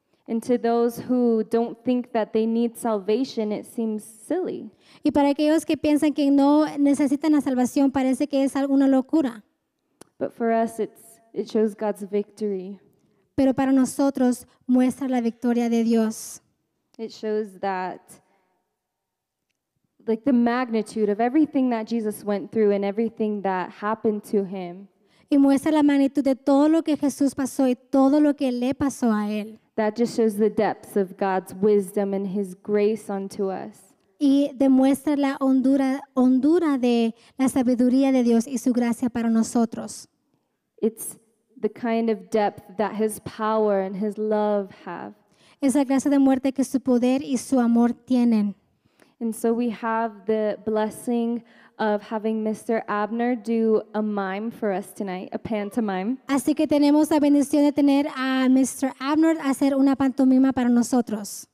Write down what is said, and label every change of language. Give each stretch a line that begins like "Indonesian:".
English: And to those who don't think that they need salvation, it seems silly.
Spanish: Y para aquellos que piensan que no necesitan la salvación, parece que es alguna locura.
English: But for us, it shows God's victory.
Spanish: Pero para nosotros muestra la victoria de Dios.
English: It shows that, like, the magnitude of everything that Jesus went through and everything that happened to him.
Spanish: Y muestra la magnitud de todo lo que Jesús pasó y todo lo que le pasó a él.
English: That just shows the depths of God's wisdom and his grace unto us.
Spanish: Y demuestra la hondura de la sabiduría de Dios y su gracia para nosotros.
English: It's the kind of depth that his power and his love have.
Spanish: Es la clase de muerte que su poder y su amor tienen.
English: And so we have the blessing of having Mr. Abner do a mime for us tonight, a pantomime.
Spanish: Así que tenemos la bendición de tener a Mr. Abner hacer una pantomima para nosotros.